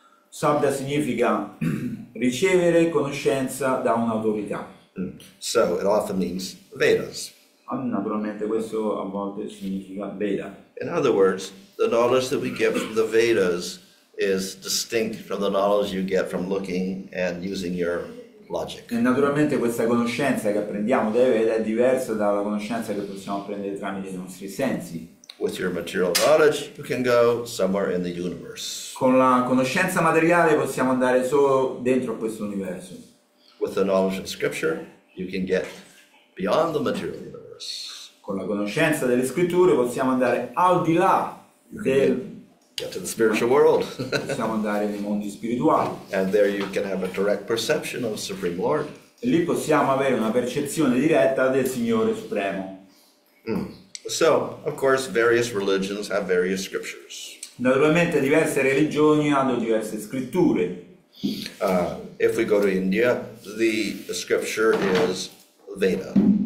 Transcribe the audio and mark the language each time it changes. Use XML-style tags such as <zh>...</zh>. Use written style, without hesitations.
<it>Sabda significa ricevere conoscenza da un'autorità.</it> <en>So it often means Vedas.</en> <it>Naturalmente questo a volte significa Veda.</it> <en>In other words, the knowledge that we get from the Vedas is distinct from the knowledge you get from looking and using your logic.</en> <it>E naturalmente questa conoscenza che apprendiamo dai Veda è diversa dalla conoscenza che possiamo apprendere tramite i nostri sensi.</it> <en>With your material knowledge, you can go somewhere in the universe.</en> <it>Con la conoscenza materiale possiamo andare solo dentro questo universo.</it> <en>With the knowledge of scripture, you can get beyond the material universe.</en> <it>Con la conoscenza delle scritture possiamo andare al di là del</it> <en>get to the spiritual world.</en> <it>Possiamo andare nei mondi spirituali.</it> <en>And there you can have a direct perception of the Supreme Lord.</en> <it>E lì possiamo avere una percezione diretta del Signore Supremo.</it> <en>So, of course, various religions have various scriptures.</en> <it>Naturalmente diverse religioni hanno diverse scritture.</it> <en>If we go to India, the scripture is Veda.</en>